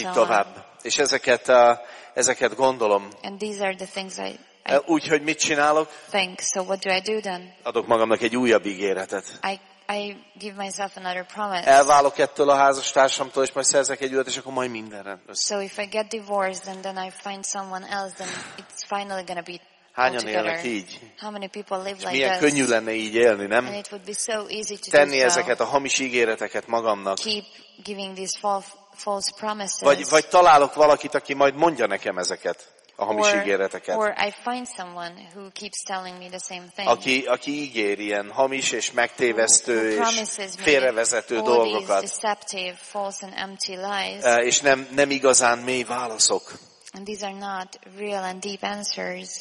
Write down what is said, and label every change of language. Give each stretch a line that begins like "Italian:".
Hungarian: így tovább.
English: On.
Hungarian: És ezeket gondolom.
English: And these are the things I
Hungarian: úgyhogy mit csinálok?
English: Think. So what do I do then?
Hungarian: Adok magamnak egy újabb ígéretet.
English: I give myself another promise.
Hungarian: Elválok ettől a házastársamtól, és majd szerzek egy újat, és akkor majd mindenre.
English: So if I get divorced and then I find someone else, then it's finally gonna be.
Hungarian: Hányan élnek így?
English: How many people live like
Hungarian: milyen könnyű lenne így élni, nem?
English: And it would be so easy to
Hungarian: tenni
English: do so.
Hungarian: Ezeket a hamis ígéreteket magamnak.
English: Keep giving these false promises.
Hungarian: Vagy találok valakit, aki majd mondja nekem ezeket. A hamis ígéreteket.
English: Or I find someone who keeps telling me the same thing.
Hungarian: Aki ígér ilyen hamis és megtévesztő és félrevezető dolgokat.
English: All these deceptive, false and empty lies.
Hungarian: És nem igazán mély válaszok.
English: And these are not real and deep answers.